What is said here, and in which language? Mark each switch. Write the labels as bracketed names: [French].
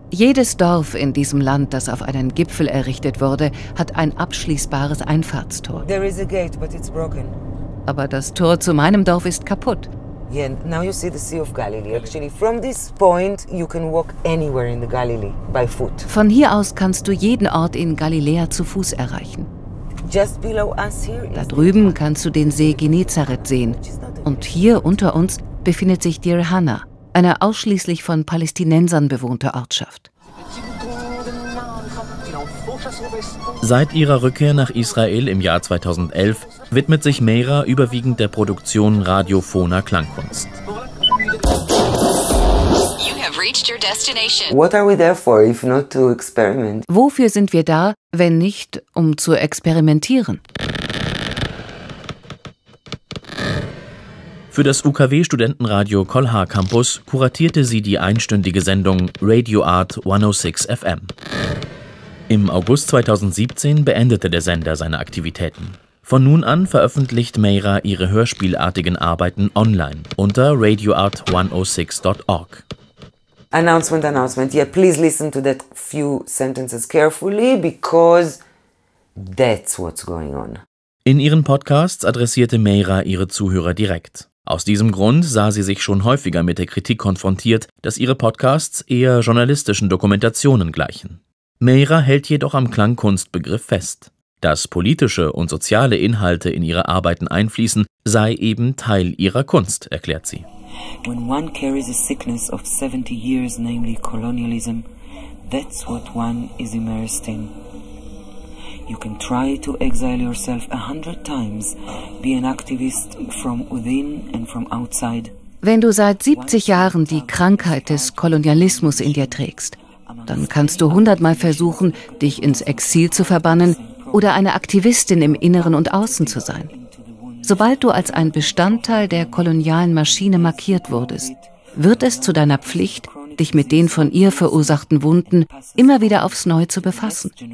[German] Jedes Dorf in diesem Land, das auf einen Gipfel errichtet wurde, hat ein abschließbares Einfahrtstor. [English] There is a gate, but it's broken. [German] Aber das Tor zu meinem Dorf ist kaputt. [English] Yeah, now you see the Sea of Galilee. Actually, from this point, you can walk anywhere in the Galilee by foot. [German] Von hier aus kannst du jeden Ort in Galiläa zu Fuß erreichen. Da drüben kannst du den See Genezareth sehen. Und hier unter uns befindet sich Dir Hanna, eine ausschließlich von Palästinensern bewohnte Ortschaft. Seit ihrer Rückkehr nach Israel im Jahr 2011 widmet sich Meira überwiegend der Produktion radiophoner Klangkunst. [English] What are we there for, if not to experiment? [German] Wofür sind wir da, wenn nicht, um zu experimentieren? Für das UKW-Studentenradio Kolhaa Campus kuratierte sie die einstündige Sendung Radio Art 106 FM. Im August 2017 beendete der Sender seine Aktivitäten. Von nun an veröffentlicht Meira ihre hörspielartigen Arbeiten online unter radioart106.org. [English] Announcement, announcement. Yeah, please listen to that few sentences carefully, because that's what's going on. [German] In ihren Podcasts adressierte Meira ihre Zuhörer direkt. Aus diesem Grund sah sie sich schon häufiger mit der Kritik konfrontiert, dass ihre Podcasts eher journalistischen Dokumentationen gleichen. Meira hält jedoch am Klangkunstbegriff fest. Dass politische und soziale Inhalte in ihre Arbeiten einfließen, sei eben Teil ihrer Kunst, erklärt sie. [English] When one carries a sickness of 70 years, namely colonialism, that's what one is immersed in. You can try to exile yourself 100 times, be an activist from within and from outside, [German] Wenn du seit 70 Jahren die Krankheit des Kolonialismus in dir trägst, dann kannst du 100-mal versuchen, dich ins Exil zu verbannen oder eine Aktivistin im Inneren und Außen zu sein. Sobald du als ein Bestandteil der kolonialen Maschine markiert wurdest, wird es zu deiner Pflicht, dich mit den von ihr verursachten Wunden immer wieder aufs Neue zu befassen.